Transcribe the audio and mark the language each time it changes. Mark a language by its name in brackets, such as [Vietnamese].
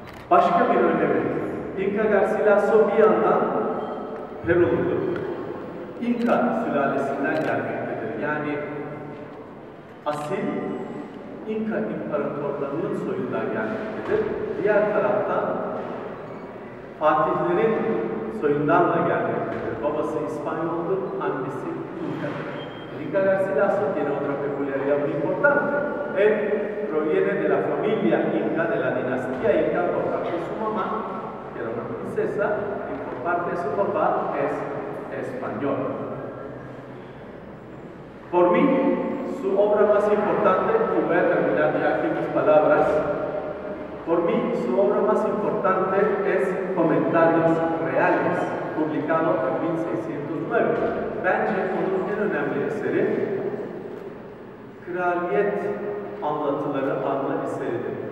[Turkish] Başka bir önemi, Enrique Garcilaso bir yandan Perulu'lu, İnka sülalesinden gelmektedir. Yani asil İnka imparatorlarının soyundan gelmektedir. Diğer taraftan Fatihlerin soyundan da gelmektedir. Babası İspanyol'dur, annesi İnka'dır. [Spanish] Enrique Garcilaso tiene otra peculiaridad muy importante. Él proviene de la familia Inca, de la dinastía Inca, por parte de su mamá, que era una princesa, y por parte de su papá es español. Por mí, su obra más importante, y voy a terminar ya aquí mis palabras, por mí, su obra más importante es Comentarios Reales, publicado en 1609. [Turkish] Bence onun en önemli eseri, Kraliyet Anlatıları adlı eseridir.